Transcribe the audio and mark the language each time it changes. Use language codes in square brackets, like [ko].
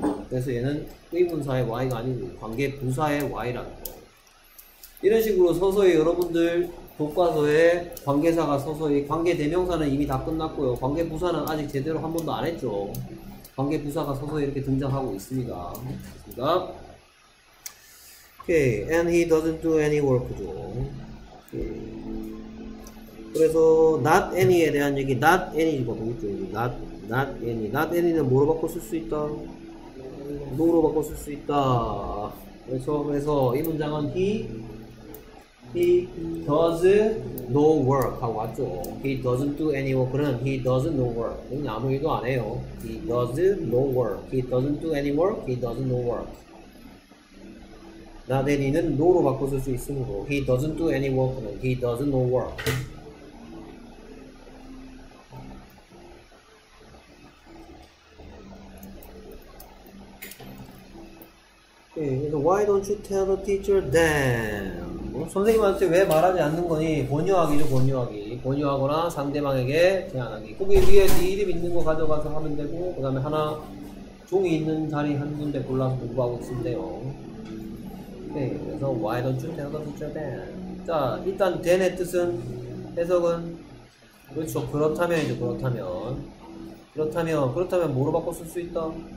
[ko] 그래서 얘는 의문사의 Y가 아니고 관계 부사의 Y라는 거. 이런 식으로 서서히 여러분들 교과서에 관계사가 서서 이 관계 대명사는 이미 다 끝났고요. 관계 부사는 아직 제대로 한 번도 안 했죠. 관계 부사가 서서 이렇게 등장하고 있습니다. [en] 그러니까 okay, and he doesn't do any work죠. [ko] Okay. 그래서 not any에 대한 얘기, not any거든요. Not any, not any는 뭐로 바꿔 쓸 수 있다? No로 바꿔 쓸 수 있다. 그래서 이 문장은 he does no work 하고 왔죠. [en] He doesn't do any work는 he doesn't no work. 이건 아무 일도 안 해요. He does no work. He doesn't do any work. He doesn't no work. Not any는 no로 바꿔 쓸 수 있으므로 he doesn't do any work는 he doesn't no work. 그래서 why don't you tell the teacher then? [ko] 뭐, 선생님한테 왜 말하지 않는 거니? 권유하기죠, 권유하기. 권유하거나 상대방에게 제안하기. 거기 위에 네 이름 있는 거 가져가서 하면 되고, 그 다음에 하나 종이 있는 자리 한 군데 골라서 공부하고 있으면 돼요. [en] 네, 그래서 why don't you tell the teacher then? [ko] 자, 일단 then의 뜻은 해석은 그렇죠. 그렇다면이죠, 그렇다면. 그렇다면 뭐로 바꿔 쓸 수 있다?